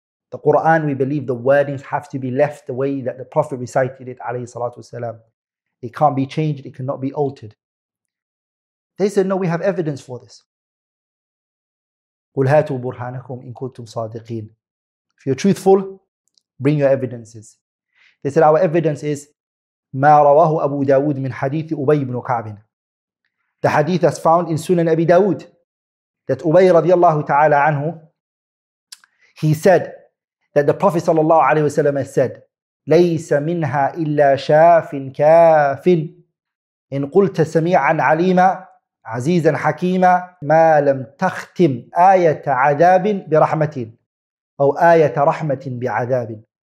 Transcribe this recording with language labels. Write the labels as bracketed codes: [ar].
[en] The Quran, we believe the wordings have to be left the way that the Prophet recited it, alayhi salatu wasalam. It can't be changed, it cannot be altered. They said, no, we have evidence for this. [ar] قُلْ هَاتُوا بُرْهَانَكُمْ إِن كُنْتُمْ صَادِقِينَ. [en] If you're truthful, bring your evidences. They said, our evidence is [ar] مَا رَوَاهُ أَبُو دَاوُدٍ مِنْ حَدِيثِ أُبَيْ بْنُ كَعْبٍ. [en] The hadith that's found in Sunan Abi Dawood, that Ubay radiallahu ta'ala anhu, he said that the Prophet sallallahu alayhi wa sallam said, [ar] لَيْسَ مِنْهَا إِلَّا شَافٍ كَافٍ إِنْ قُلْتَ سَمِيعًا عَلِيمًا عَزِيزًا حَكِيمًا مَا لَمْ تَخْتِمْ آيَةَ عَذَابٍ بِرَحْمَةٍ أَوْ آيَةَ رَحْمَةٍ بِعَذَابٍ.